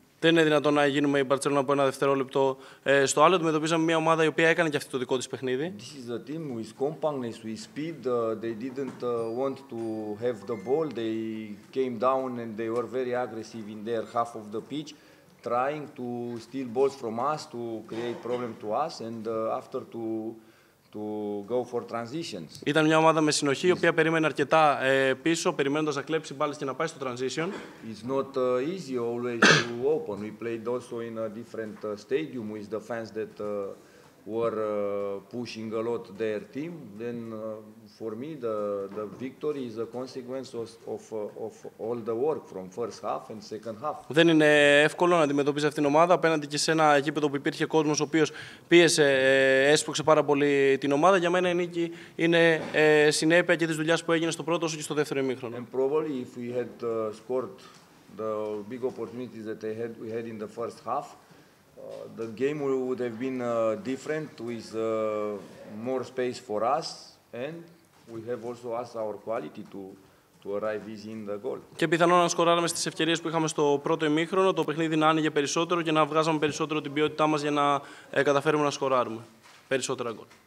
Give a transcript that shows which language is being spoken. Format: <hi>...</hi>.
<el>Δεν είναι δυνατόν να γίνουμε η Μπαρτσελόνα από ένα δευτερόλεπτο στο άλλο. Αντιμετωπίσαμε μια ομάδα η οποία έκανε και αυτή το δικό της παιχνίδι.</el> <en>This is a team with compactness, with speed. They didn't want to have the ball. They came down and they were very aggressive in their half of the pitch, trying to steal balls from us, to create problems to us, and after to go for transitions.</en> <el>Ήταν μια ομάδα με συνοχή, η οποία περίμενε αρκετά πίσω, περιμένοντας να κλέψει μπάλες και να πάει στο transition.</el> <en>It's not easy always to open. We played also in a different stadium with the fans that were pushing a lot their team. Then for me the victory is a consequence of all the work from first half and second half.</en> <el>Δεν είναι εύκολο να αντιμετωπίζει αυτήν την ομάδα απέναντι και σε ένα γήπεδο που υπήρχε κόσμος ο οποίος πίεσε, έσπρωξε πάρα πολύ την ομάδα. Για μένα η νίκη είναι συνέπεια και της δουλειάς που έγινε στο πρώτο όσο και στο δεύτερο ημίχρονο.</el> <en>And probably if we had scored the big opportunities that we had in the first half, the game would have been different with more space for us, and we have also us our quality to arrive easy in the goal.</en> <el>Και πιθανόν να σκοράραμε στις ευκαιρίες που είχαμε στο πρώτο ημίχρονο, το παιχνίδι να άνοιγε περισσότερο και να βγάζαμε περισσότερο την ποιότητά μας για να καταφέρουμε να σκοράρουμε περισσότερα γκολ.</el>